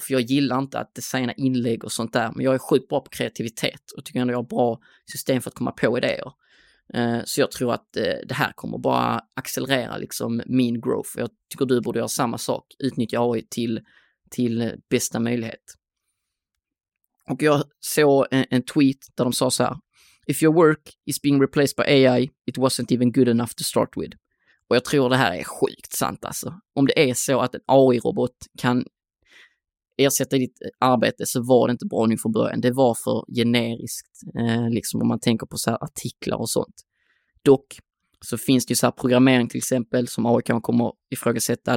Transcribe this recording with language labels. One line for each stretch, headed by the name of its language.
Swedish: För jag gillar inte att designa inlägg och sånt där. Men jag är sjukt bra på kreativitet och tycker att jag har bra system för att komma på idéer. Så jag tror att det här kommer bara accelerera liksom min growth. Jag tycker du borde göra samma sak. Utnyttja AI till bästa möjlighet. Och jag såg en tweet där de sa så här:
English: If your work is being replaced by AI, it wasn't even good enough to start with.
Swedish: Och jag tror det här är sjukt sant alltså. Om det är så att en AI-robot kan ersätta ditt arbete, så var det inte bra nu från början. Det var för generiskt, liksom om man tänker på så här artiklar och sånt. Dock så finns det ju så här programmering till exempel som AI kan komma ifrågasätta.